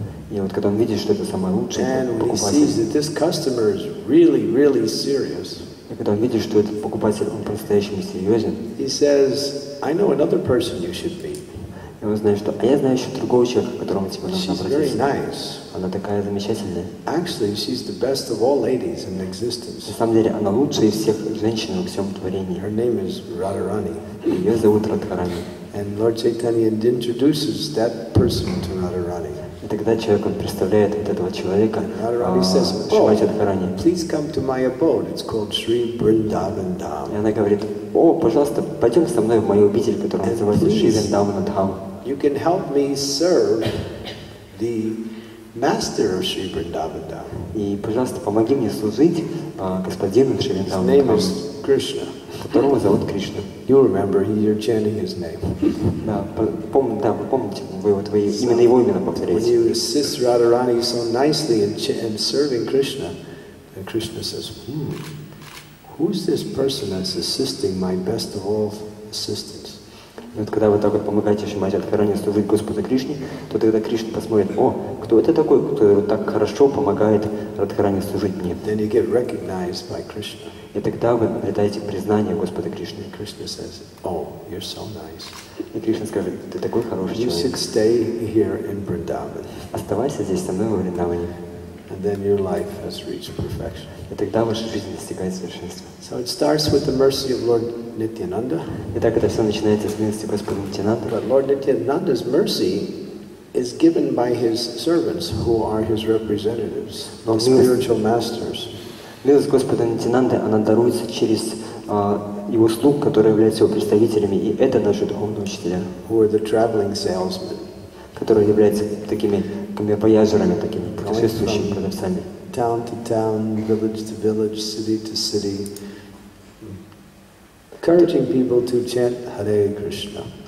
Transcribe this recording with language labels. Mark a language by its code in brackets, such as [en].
[ru] И вот когда он видит, что это самое лучшее, [en] and [ru] покупатель. [en] And he sees that this customer is really, really serious. [ru] И когда он видит, что этот покупатель, он по-настоящему серьезен. [en] He says, I know another person you should meet. [ru] И он знает, что, а я знаю еще другого человека, к которому тебе нужно обратиться. [en] She's very nice. [ru] Она такая замечательная. [en] Actually, she's the best of all ladies in existence. [ru] На самом деле, она лучшая из всех женщин во всем творении. [en] Her name is Radharani. [ru] Ее зовут Радхарани. [en] And Lord Chaitanya introduces that person to Radharani. [ru] И тогда человек, он представляет вот этого человека, Шримати Радхарани. [en] Please come to my abode. It's called Sri Vrindavan Dham. [ru] И она говорит, о, пожалуйста, пойдем со мной в мою обитель, которая называется Шри Вриндаван Дхам. [en] You can help me serve the master of Sri Vrindavan Dham. [ru] И, пожалуйста, помоги мне служить господину Шри Вриндаван [en] Дхам. His name is Krishna. [ru] Которого зовут Кришна. [en] You remember, you're chanting his name. [ru] Да, вы помните, вы вот вы именно его имя повторяете. [en] When you assist Radharani so nicely in serving Krishna, and Krishna says, who's this person that's assisting my best of all assistants? [ru] Вот когда вы так вот помогаете Шримати Радхарани служить Господу Кришне, то тогда Кришна посмотрит, о, кто это такой, кто так хорошо помогает Радхарани служить мне. [en] Then you get recognized by Krishna. [ru] И тогда вы обретаете признание Господа Кришны. [en] Krishna says, oh, you're so nice. [ru] И Кришна скажет, ты такой хороший [en] you [ru] человек. [en] You should stay here in Vrindavan. [ru] Оставайся здесь со мной во Вриндаване. [en] And then your life has reached perfection. [ru] И тогда ваша жизнь достигает совершенства. [en] So it starts with the mercy of Lord Nityananda. [ru] И так это все начинается с милости Господа Нитянанды. [en] But Lord Nityananda's mercy is given by his servants, who are his representatives, the spiritual masters. [ru] Милость Господа Нитянанды, она даруется через его слуг, которые являются его представителями, и это наши духовные учителя. [en] Who are the traveling salesmen? [ru] Которые являются такими коммерпояжерами, такими путешествующими продавцами. [en] Town to town, village to village, city to city, encouraging people to chant Hare Krishna.